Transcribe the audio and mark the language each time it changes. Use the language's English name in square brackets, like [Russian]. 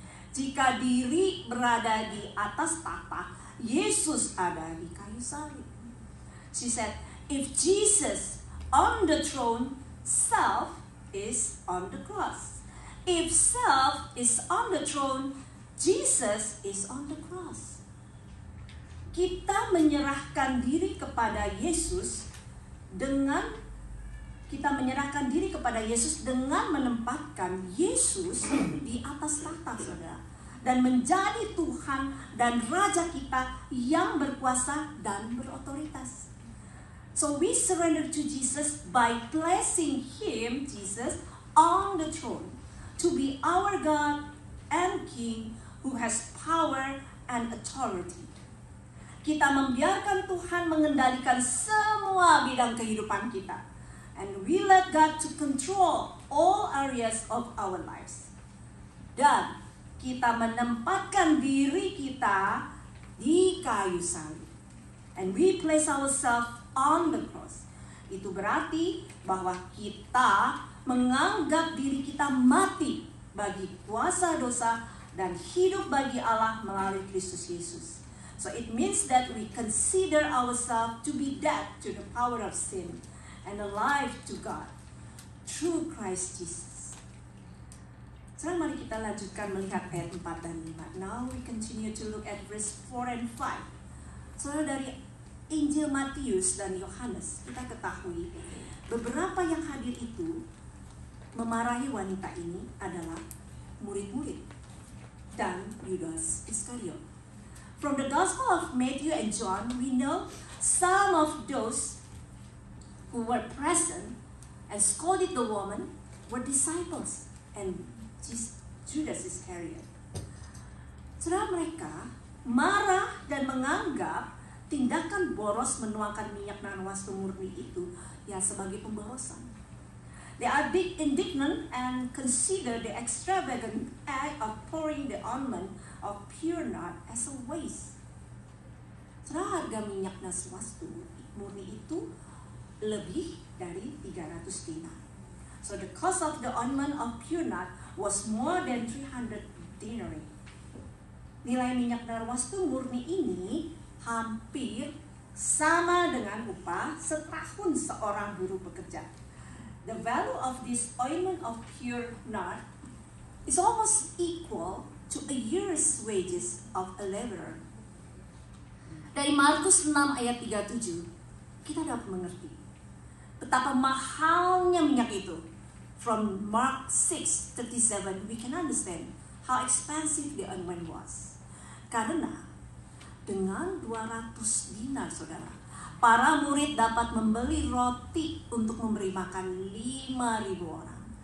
[Indonesian] Jika diri berada di atas tahta, Yesus ada di kayu salib. [English] She said, if Jesus on the throne, self is on the cross. If self is on the throne, Jesus is on the cross. [Indonesian] Kita menyerahkan diri kepada Yesus dengan menempatkan Yesus di atas tahta, saudara, dan menjadi Tuhan dan Raja kita yang berkuasa dan berotoritas. [English] So we surrender to Jesus by placing Him, Jesus, on the throne to be our God and King who has power and authority. [Indonesian] Kita membiarkan Tuhan mengendalikan semua bidang kehidupan kita. [English] And we let God to control all areas of our lives. [Indonesian] Dan kita menempatkan diri kita di kayu salib. [English] And we place ourselves on the cross. [Indonesian] Itu berarti bahwa kita menganggap diri kita mati bagi kuasa dosa dan hidup bagi Allah melalui Kristus Yesus. [English] So it means that we consider ourselves to be dead to the power of sin and alive to God through Christ Jesus. [Indonesian] Sekarang mari kita lanjutkan melihat ayat 4 dan 5. [English] Now we continue to look at verse 4 and 5. [Indonesian] Saudara, dari Injil Matius dan Yohanes kita ketahui beberapa yang hadir itu memarahi wanita ini adalah murid-murid. [English] than Judas Iscariot. From the Gospel of Matthew and John, we know some of those who were present and scolded the woman were disciples and Judas Iscariot. [Indonesian] Setelah mereka marah dan menganggap tindakan boros menuangkan minyak dan wastu murni itu ya sebagai pembarosan. [English] They are indignant and consider the extravagant act of pouring the ointment of pure nard as a waste. [Indonesian] Setelah harga minyak dan wastu murni itu lebih dari 300 dinar. [English] So the cost of the ointment of pure nard was more than 300 dinari. [Indonesian] Nilai minyak dan wastu murni ini hampir sama dengan upah setahun seorang buruh pekerja. [English] The value of this ointment of pure nard is almost equal to a year's wages of a laborer. [Indonesian] Dari Markus 6 ayat 37, kita dapat mengerti betapa mahalnya minyak itu. [English] From Mark 6:37, we can understand how expensive the ointment was. [Indonesian] Karena dengan 200 dinar, saudara, para murid dapat membeli roti untuk memberi makan 5.000 orang.